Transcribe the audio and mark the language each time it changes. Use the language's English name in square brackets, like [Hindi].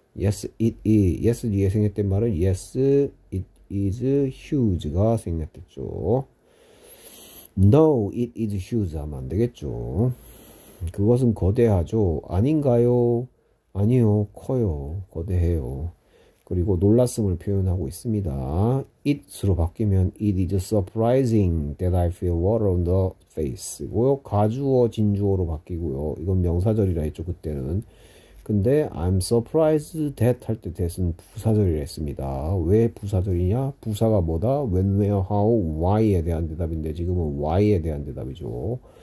[English] Yes, it is. Yes [Korean] 뒤에 생략된 말은 [English] Yes, it is huge가 [Korean] 생략됐죠. [English] No, it is huge [Korean] 하면 안 되겠죠. 그것은 거대하죠. 아닌가요? 아니요, 커요, 거대해요. 그리고 놀랐음을 표현하고 있습니다. [English] It으로 [Korean] 바뀌면 [English] It is surprising that I feel water on the face. [Korean] 이고요. 가주어, 진주어로 바뀌고요. 이건 명사절이라 했죠, 그때는. 근데 I'm surprised that 할때 that은 부사절이라 했습니다. 왜 부사절이냐? 부사가 뭐다? When, where, how, why에 대한 대답인데 지금은 why에 대한 대답이죠.